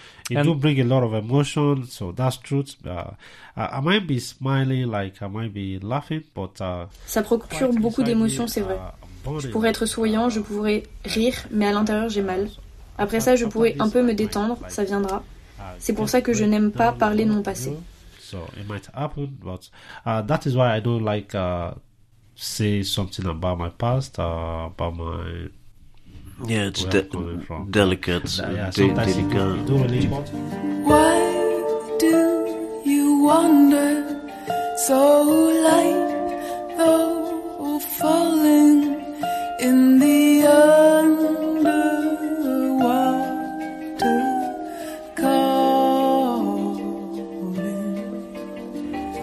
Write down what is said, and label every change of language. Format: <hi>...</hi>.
<en>It and do bring a lot of emotion, so that's truth. I might be smiling, like I might be laughing, but</en> <fr>ça procure beaucoup d'émotions, c'est vrai. Je pourrais être souriant, je pourrais rire, mais à l'intérieur j'ai mal. Après ça, je pourrais un peu me détendre, ça viendra. C'est pour ça que je n'aime pas parler de mon passé.</fr> <en>So it might happen, but that is why I don't like say something about my past, about my. Yeah, it's delicate. Why do you wander so light, though falling in the underwater calling?</en>